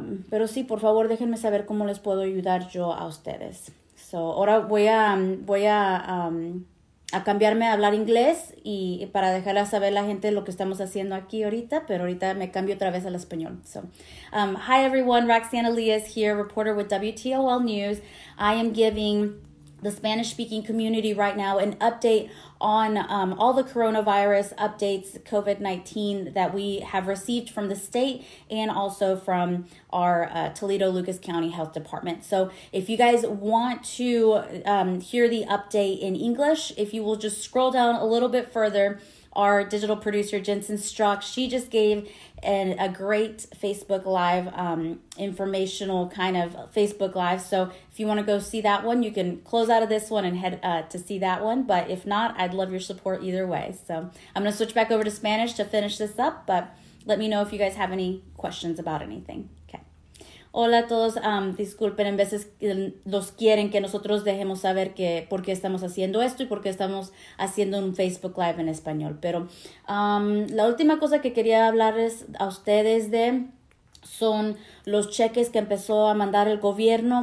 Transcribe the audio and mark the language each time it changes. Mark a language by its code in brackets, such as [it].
[es] Pero sí, por favor, déjenme saber cómo les puedo ayudar yo a ustedes. So, ahora voy a cambiarme a hablar inglés y para dejar a saber la gente lo que estamos haciendo aquí ahorita, pero ahorita me cambio otra vez al español. [en] So, hi everyone, Roxana Elias here, reporter with WTOL News. I am giving the Spanish-speaking community right now an update on all the coronavirus updates, COVID-19, that we have received from the state and also from our Toledo Lucas County Health Department. So if you guys want to hear the update in English, if you will just scroll down a little bit further, our digital producer, Jensen Strzok, she just gave a great Facebook Live, informational kind of Facebook Live. So if you want to go see that one, you can close out of this one and head to see that one. But if not, I'd love your support either way. So I'm going to switch back over to Spanish to finish this up, but let me know if you guys have any questions about anything. [es] Hola a todos, disculpen, en veces los quieren que nosotros dejemos saber que por qué estamos haciendo esto y por qué estamos haciendo un Facebook Live en español. Pero la última cosa que quería hablarles a ustedes de son los cheques que empezó a mandar el gobierno.